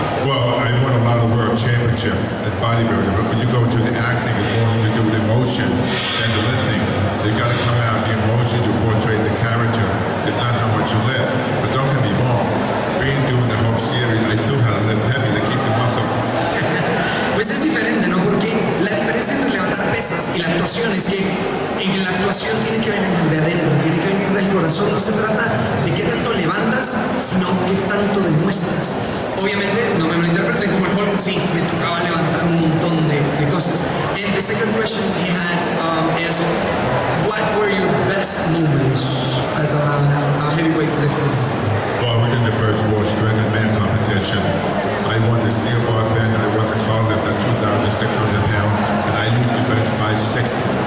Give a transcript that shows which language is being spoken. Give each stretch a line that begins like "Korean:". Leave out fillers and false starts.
English: Well, I won a lot of world championship as bodybuilder, but when you go into the acting, it's more to do with emotion than the lifting. You got to come out of the emotion to portray the character, if not how much you lift. But don't get me wrong, being doing the whole series, I still had to lift heavy to keep the muscle.
Spanish: Pues es diferente, ¿no? Porque la diferencia entre levantar pesas y la actuación es que en la actuación tiene que venir de adentro, tiene que venir del corazón. No se trata de qué tanto levantas, sino qué tanto demuestras. Obviamente, no me malinterpreté como el Hulk, sí, me tocaba levantar un montón de cosas.
English: And the second question he had is, what were your best moments as a heavyweight lifter? Well, I was in the first world strength and man competition. I won the steel bar band, I won the car lift at 2,600 pounds, and I used to bench 560.